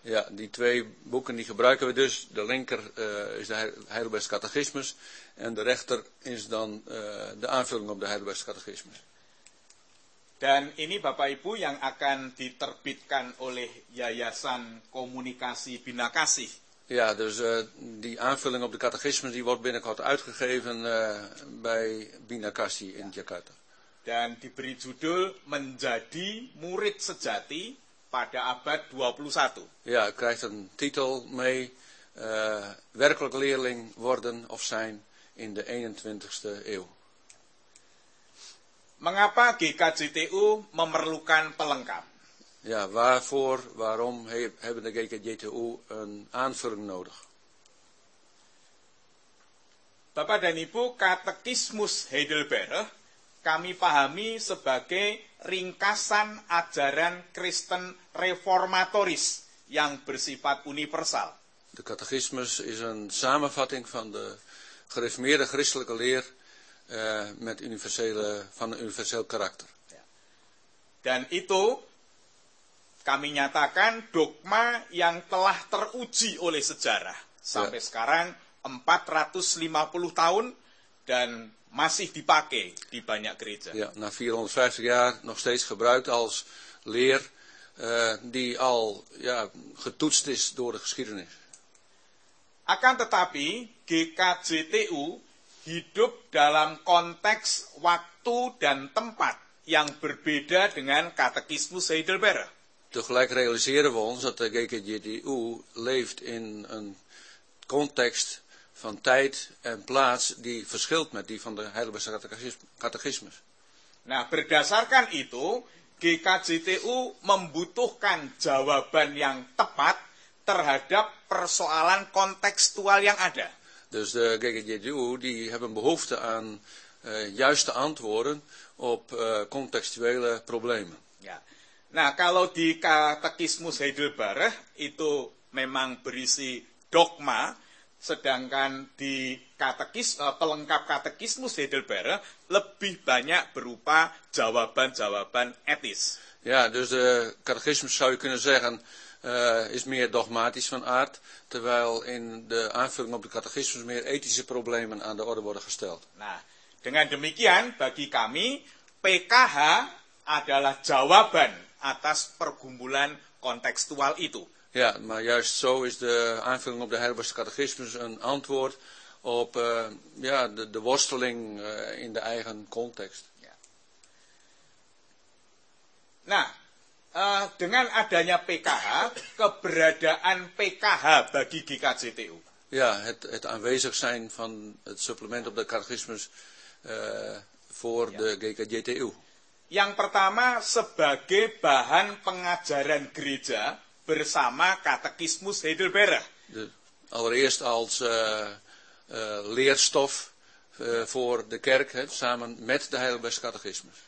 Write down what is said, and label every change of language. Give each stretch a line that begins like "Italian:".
Dutch: Ja, die twee boeken die gebruiken we dus. De linker is de Heidelbergse catechismus en de rechter is dan de aanvulling op de Heidelbergse catechismus.
Indonesian: Dan ini Bapak Ibu yang akan diterbitkan oleh Yayasan Komunikasi Bina Kasih.
Dutch: Ja, dus die aanvulling op de catechismus die wordt binnenkort uitgegeven bij Bina Kasih in Jakarta.
Indonesian: dan diberi judul Menjadi Murid Sejati pada abad 21.
Dutch: Ja, krijgt een titel mee werkelijk leerling worden of zijn in de 21ste eeuw.
Indonesian: Mengapa GKJTU memerlukan pelengkap?
Dutch: Ja, waarvoor, waarom hebben de GKJTU een aanvulling nodig?
Indonesian: Bapak dan Ibu, Katekismus Heidelberg kami pahami sebagai ringkasan ajaran Kristen reformatoris yang bersifat universal.
Dutch: De Katekismus is een samenvatting van de gereformeerde christelijke leer met universele, van een universeel karakter.
Indonesian: Dan itu kami nyatakan dogma yang telah teruji oleh sejarah sampai sekarang 450 tahun dan masih dipakai di banyak gereja.
Dutch: Ya, na 450 jaar nog steeds gebruikt als leer die al ya, getoetst is door de geschiedenis.
Indonesian: Akan tetapi GKJTU hidup dalam konteks waktu dan tempat yang berbeda dengan Katekismus Heidelberg.
Dutch: Tegelijk realiseren we ons dat de GKJTU leeft in een context van tijd en plaats die verschilt met die van de Heidelbergse Katekismus.
Indonesian: Nah, berdasarkan itu, GKJTU membutuhkan jawaban yang tepat terhadap persoalan kontekstual yang ada.
Dutch: Dus de GKJTU die hebben behoefte aan juiste antwoorden op contextuele problemen.
Indonesian: Ja. Nah, kalau di Katekismus Heidelberg itu memang berisi dogma, sedangkan di pelengkap Katekismus Heidelberg lebih banyak berupa jawaban-jawaban etis.
Dutch: Ja, dus de Katekismus zou je kunnen zeggen is meer dogmatisch van aard, terwijl in de aanvulling op de Katekismus meer ethische problemen aan de orde worden gesteld.
Indonesian: Nah, dengan demikian bagi kami PKH adalah jawaban atas pergumulan kontekstual itu.
Dutch: Ja, maar juist zo is de aanvulling op de Heidelbergse Katekismus een antwoord op ja, de worsteling in de eigen context. Ja.
Indonesian: Nah, dengan adanya PKH, keberadaan PKH bagi GKJTU.
Dutch: Ja, het aanwezig zijn van het supplement op de Katekismus voor ja. De GKJTU.
Indonesian: Yang pertama sebagai bahan pengajaran gereja bersama Katekismus Heidelberg.
Dutch: Allereerst als leerstof voor de kerk, he, samen met de Heidelbergse Katekismus.